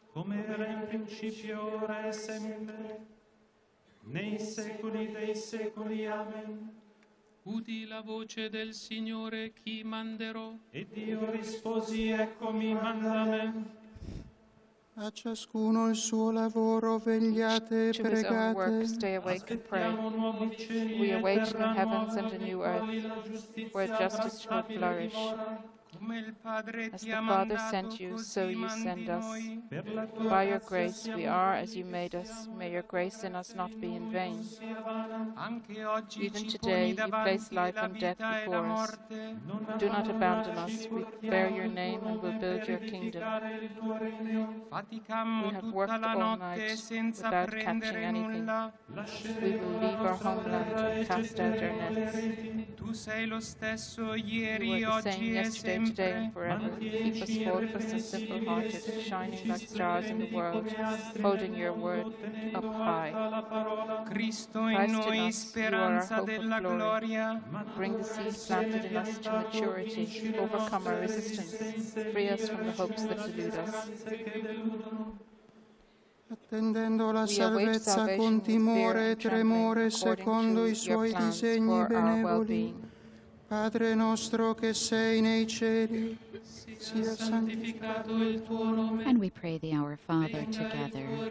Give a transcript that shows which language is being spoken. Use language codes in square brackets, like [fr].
[it] come era in principio, ora e sempre, nei secoli dei secoli. Amen. Udì la voce del Signore, chi manderò? E Dio risposi, eccomi, mandami. A ciascuno il suo lavoro, vegliate e pregate. [en] Work, stay awake and pray. We await the heavens and a new earth, where justice shall flourish. As the Father sent you, so you send us. By your grace we are as you made us. May your grace in us not be in vain. Even today you place life and death before us. Do not abandon us. We bear your name and will build your kingdom. We have worked all night without catching anything. We will leave our homeland and cast out our nets. [it] Tu sei lo stesso ieri, oggi e sempre. [en] Today and forever, keep us faultless and simple-hearted, shining like stars in the world, holding your word up high. Christ in us, you are our hope of glory. Bring the seed planted in us to maturity, overcome our resistance, free us from the hopes that delude us. [it] Attendendo la salvezza con timore e tremore, secondo i suoi disegni benevoli. Padre nostro che sei nei cieli, sia santificato il tuo nome. [en] And we pray the Our Father together.